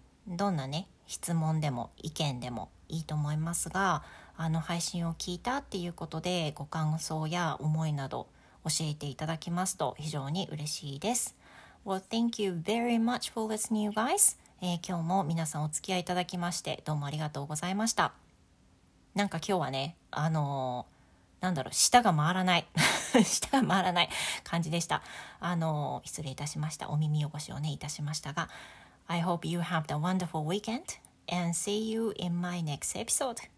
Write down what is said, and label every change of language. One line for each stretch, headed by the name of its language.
Japanese: どんなね質問でも意見でもいいと思いますが、あの配信を聞いたっていうことでご感想や思いなど教えていただきますと非常に嬉しいです。
English: Well, thank you very much for listening, guys.
Japanese: 今日も皆さんお付き合いいただきましてどうもありがとうございました。なんか今日はね、なんだろう、舌が回らない舌が回らない感じでした。失礼いたしました。お耳汚しをねいたしましたが、
English: I hope you have a wonderful weekend and see you in my next episode.